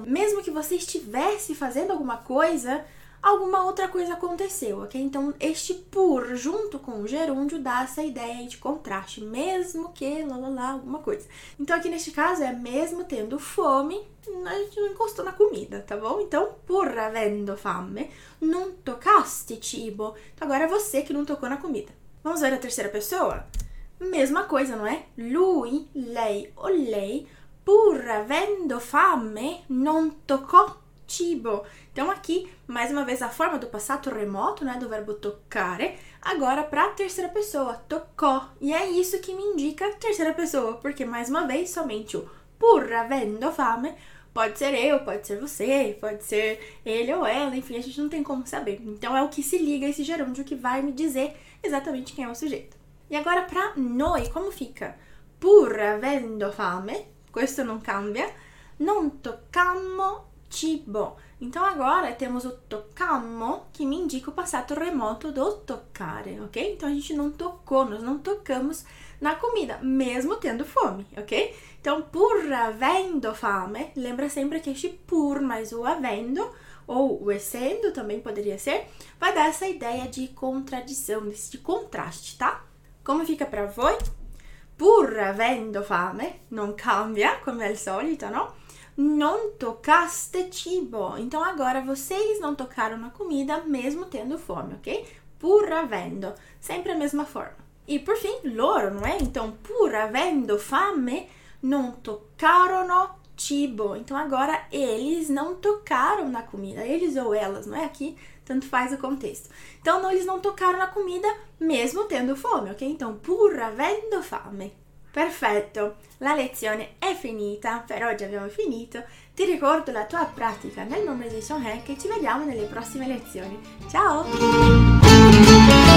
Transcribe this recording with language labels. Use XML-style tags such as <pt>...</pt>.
<pt>Mesmo que você estivesse fazendo alguma coisa, alguma outra coisa aconteceu, ok? Então, este pur junto com o gerúndio dá essa ideia de contraste, mesmo que, alguma coisa. Então, aqui neste caso, é mesmo tendo fome, a gente não encostou na comida, tá bom?</pt> <it>Então, pur avendo fame, non toccasti cibo.</it> <pt>Então, agora é você que não tocou na comida. Vamos ver a terceira pessoa? Mesma coisa, não é?</pt> <it>Lui, lei ou lei, pur avendo fame, non toccò cibo.</it> <pt>Então aqui, mais uma vez, a forma do passato remoto, né, do verbo toccare, agora para a terceira pessoa, toccò. E é isso que me indica terceira pessoa, porque mais uma vez, somente o pur avendo fame, pode ser eu, pode ser você, pode ser ele ou ela, enfim, a gente não tem como saber. Então é o que se liga a esse gerúndio que vai me dizer exatamente quem é o sujeito. E agora para noi, como fica?</pt> <it>Pur avendo fame, questo non cambia, non toccammo cibo.</it> <pt>Então agora temos o toccammo, que me indica o passato remoto do toccare, ok? Então a gente não tocou, nós não tocamos na comida, mesmo tendo fome, ok? Então pur avendo fame, lembra sempre que este pur mais o avendo, ou o essendo também poderia ser, vai dar essa ideia de contradição, desse contraste, tá? Como fica pra voi?</pt> <it>Pur avendo fame, non cambia, come al solito, no? Non toccaste cibo.</it> <pt>Então agora vocês não tocaram na comida mesmo tendo fome, ok?</pt> <it>Pur avendo.</it> <pt>Sempre a mesma forma. E por fim, loro, não é?</pt> <it>Então, pur avendo fame, non toccarono cibo.</it> <pt>Então agora eles não tocaram na comida. Eles ou elas, não é? Aqui, tanto faz o contexto. Então, não, eles não tocaram na comida mesmo tendo fome, ok?</pt> <it>Então, pur avendo fame. Perfetto, la lezione è finita, per oggi abbiamo finito. Ti ricordo la tua pratica nel nome di Sean Hank e ci vediamo nelle prossime lezioni. Ciao!</it>